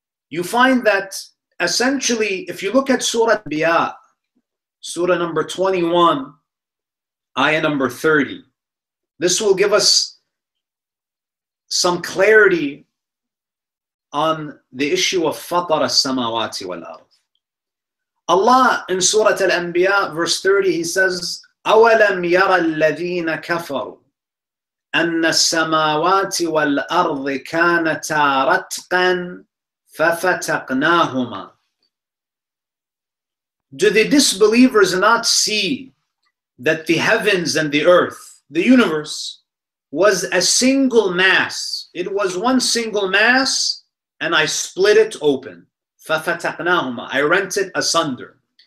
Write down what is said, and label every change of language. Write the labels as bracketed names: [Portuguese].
[English] You find that essentially, if you look at Surah Al-Anbiya, Surah number 21, Ayah number 30, this will give us some clarity on the issue of [Arabic] fatara samawati wal ard. [English] Allah in Surah Al-Anbiya, verse 30, He says, [Arabic] أَوَلَمْ يَرَى الَّذِينَ كَفَرُوا أَنَّ السَّمَاوَاتِ وَالْأَرْضِ كَانَتَا رَتْقًا فَفَتَقْنَاهُمَا. [English] Do the disbelievers not see that the heavens and the earth, the universe, was a single mass? It was one single mass, and I split it open. فَفَتَقْنَاهُمَا. I rent it asunder.